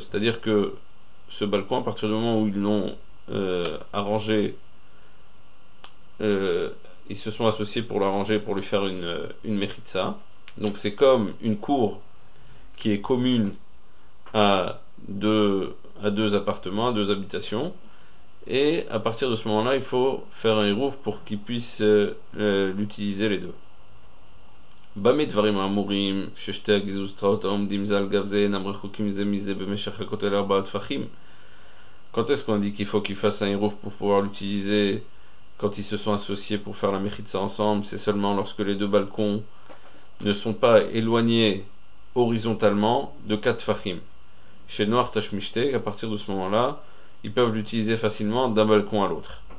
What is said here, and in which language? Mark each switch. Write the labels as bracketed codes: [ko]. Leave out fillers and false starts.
[fr] C'est-à-dire que ce balcon, à partir du moment où ils l'ont arrangé, ils se sont associés pour l'arranger, pour lui faire une méritsa. Donc c'est comme une cour qui est commune à deux appartements, à deux habitations. Et à partir de ce moment-là, il faut faire un hérouv pour qu'ils puissent l'utiliser les deux. [he] במה דברים האמורים ששתי הגזוזתאות העומדים זה על גב זה אינם רחוקים זה מזה במשך הכותל ארבעה טפחים? [fr] Quand est-ce qu'on dit qu'il faut qu'ils fassent un hérouf pour pouvoir l'utiliser quand ils se sont associés pour faire la méritsa ensemble? C'est seulement lorsque les deux balcons ne sont pas éloignés horizontalement de 4 tfachim. Chez Noir Tashmishte, à partir de ce moment-là, ils peuvent l'utiliser facilement d'un balcon à l'autre.